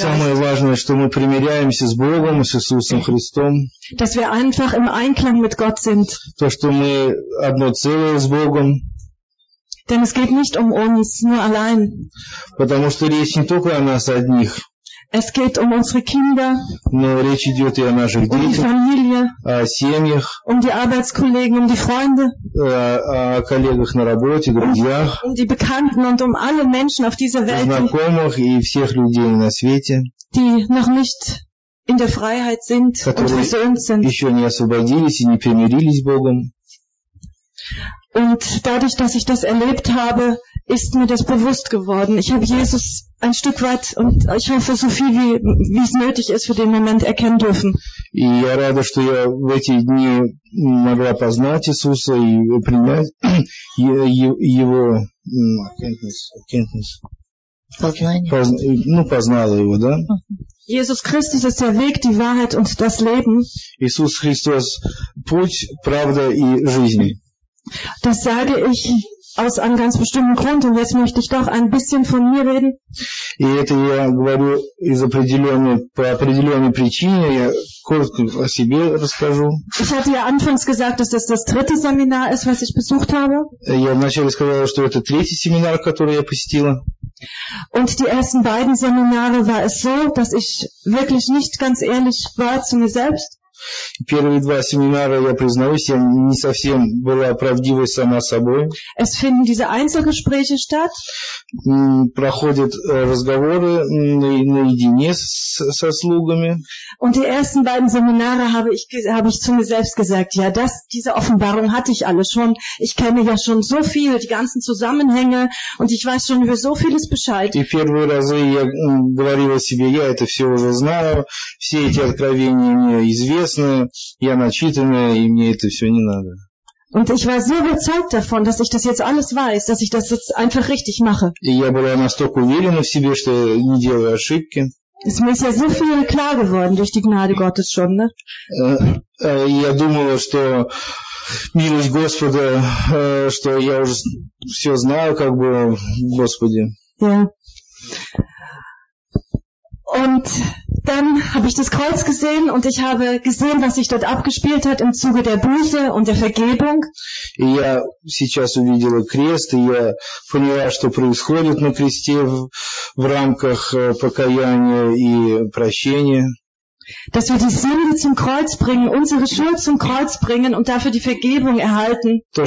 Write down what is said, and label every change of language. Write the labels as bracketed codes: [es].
[ru] Самое важное, что мы примиряемся с Богом, с Иисусом Христом. [de] Dass wir einfach im Einklang mit Gott sind. [ru] То, что мы одно целое с Богом. [de] Denn es geht nicht um uns, nur allein. [ru] Потому что речь не только о нас одних. [de] Es geht um unsere Kinder, [ru] но речь идет и о наших детях, [de] um die Familie, [ru] о семьях, [de] um die Arbeitskollegen, um die Freunde, [ru] о коллегах на работе, друзьях, [de] um die Bekannten und um alle Menschen auf dieser Welt, [ru] знакомых и всех людей на свете, [de] die noch nicht in der Freiheit sind und versöhnt sind, [ru] еще не освободились и не примирились с Богом. [de] Und dadurch, dass ich das erlebt habe, ist mir das bewusst geworden. Ich habe Jesus ein Stück weit und ich hoffe so viel wie es nötig ist für den Moment erkennen dürfen. [ru] И я рада, что я в эти дни могла познать Иисуса и принять его erkenntnis. Ну, познала его, да? [de] Jesus Christus ist der Weg, die Wahrheit und das Leben. [ru] Иисус Христос путь, правда и жизнь. [de] Das sage ich aus einem ganz bestimmten Grund und jetzt möchte ich doch ein bisschen von mir reden. [ru] И это я говорю из определенной, по определенной причине, я коротко о себе расскажу. [de] Ich hatte ja anfangs gesagt, dass das das dritte Seminar ist, was ich besucht habe. [ru] Я вначале сказала, что это третий семинар, который я посетила. [de] Und die ersten beiden Seminare war es so, dass ich wirklich nicht ganz ehrlich war zu mir selbst. [ru] Первые два семинара, я признаюсь, я не совсем была правдивой сама собой. [de] Es finden diese Einzelgespräche statt. [ru] Проходят разговоры наедине со слугами. [de] Und die ersten beiden Seminare habe ich zu mir selbst gesagt, ja, das, diese Offenbarung hatte ich alle schon. Ich kenne ja schon so viel, die ganzen Zusammenhänge und ich weiß schon über so vieles Bescheid. [ru] И первые разы я говорила себе, я это все уже знаю, все эти откровения мне известны. Я начитанная, и мне это все не надо. [de] Und ich war so überzeugt davon, dass ich das jetzt alles weiß, dass ich das jetzt einfach richtig mache. [ru] И я была настолько уверена в себе, что я не делаю ошибки. [de] Es mir ist ja so viel klar geworden durch die Gnade Gottes schon, ne? [ru] Я думала, что милость Господа, что я уже все знаю, как бы, Господи. Ja. [de] Und dann habe ich das Kreuz gesehen und ich habe gesehen, was sich dort abgespielt hat im Zuge der Buße und der Vergebung. [ru] Я сейчас увидела крест, и я поняла, что происходит на кресте в рамках покаяния и прощения. [de] Dass wir die Sünde zum Kreuz bringen, unsere Schuld zum Kreuz bringen und dafür die Vergebung erhalten.